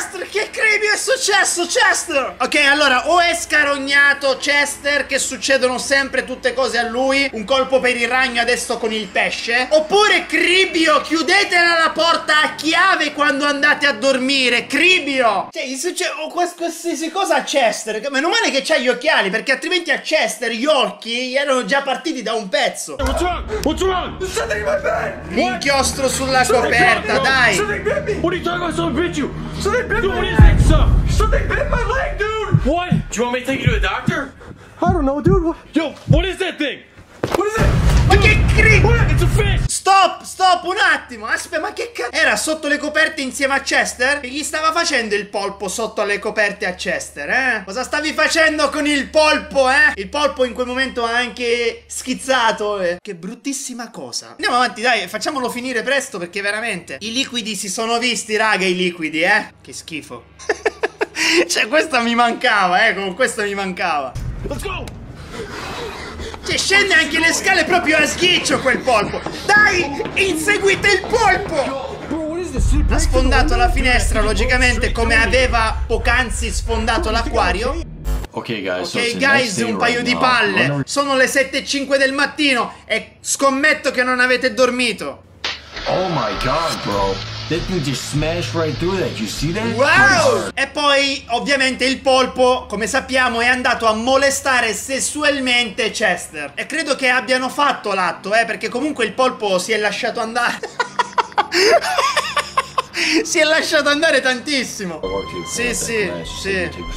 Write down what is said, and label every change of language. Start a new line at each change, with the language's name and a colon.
Italian: Che creepy è successo, Chester! Ok, allora, o è scarognato Chester, che succedono sempre tutte cose a lui, un colpo per il ragno adesso con il pesce, oppure Cribio, chiudetela la porta a chiave quando andate a dormire, Cribio! Cioè, gli succede qualsiasi cosa a Chester, meno male che c'ha gli occhiali, perché altrimenti a Chester gli orchi gli erano già partiti da un pezzo.
English: What's wrong?
Italian: L'inchiostro sulla coperta, dai!
English: What are you talking about? Someone bit you. Something bit my leg, dude. What? Do you want me to take you to a doctor? I don't know, dude. Yo, what is that thing? What is that?
Italian: Ma che cringe!
English: It's a fish!
Italian: Stop, stop, un attimo! Aspetta, ma che cazzo? Era sotto le coperte insieme a Chester? E gli stava facendo il polpo sotto le coperte a Chester, eh? Cosa stavi facendo con il polpo, eh? Il polpo in quel momento ha anche schizzato, eh? Che bruttissima cosa. Andiamo avanti, dai, facciamolo finire presto, perché veramente i liquidi si sono visti, raga, i liquidi, eh? Che schifo. Cioè, questa mi mancava, eh? Con questa mi mancava.
English: Let's go!
Italian: Cioè, scende anche le scale proprio a schiccio quel polpo. Dai, inseguite il polpo. Ha sfondato la finestra, logicamente, come aveva poc'anzi sfondato l'acquario.
English: Ok, guys, okay, guys,
Italian: un paio di palle. Sono le 7:05 del mattino e scommetto che non avete dormito.
English: Oh my god, bro. That thing just smashed right through that, you see that? Wow!
Italian: E poi, ovviamente, il polpo, come sappiamo, è andato a molestare sessualmente Chester. E credo che abbiano fatto l'atto, perché comunque il polpo si è lasciato andare. Si è lasciato andare tantissimo. Sì, sì, sì.